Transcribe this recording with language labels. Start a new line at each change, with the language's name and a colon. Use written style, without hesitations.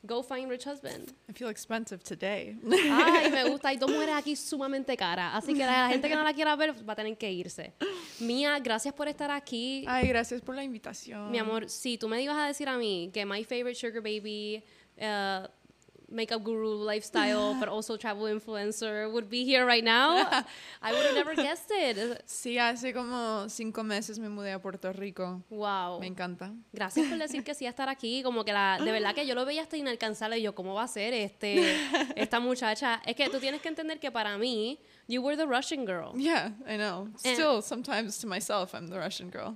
English: Go find rich husband. I feel expensive today.
Spanish: Ay, me gusta. Hay dos mujeres aquí sumamente caras. Así que la gente que no la quiera ver va a tener que irse. Mia, gracias por estar aquí. Ay, gracias por la invitación. Mi amor, sí, tú me ibas a decir a mí que
English: my favorite sugar baby... makeup guru lifestyle, but also travel influencer, would be here right now. I would have never guessed it.
Spanish: Sí, hace como 5 meses me mudé a Puerto Rico.
English: Wow.
Spanish: Me encanta. Gracias por decir que sí a estar aquí. Como que de verdad que yo lo veía hasta inalcanzable. Y yo, ¿cómo va a ser esta muchacha? Es que tú tienes que entender que para mí,
English: you were the Russian girl. Yeah, I know. Still, sometimes to myself, I'm the Russian girl.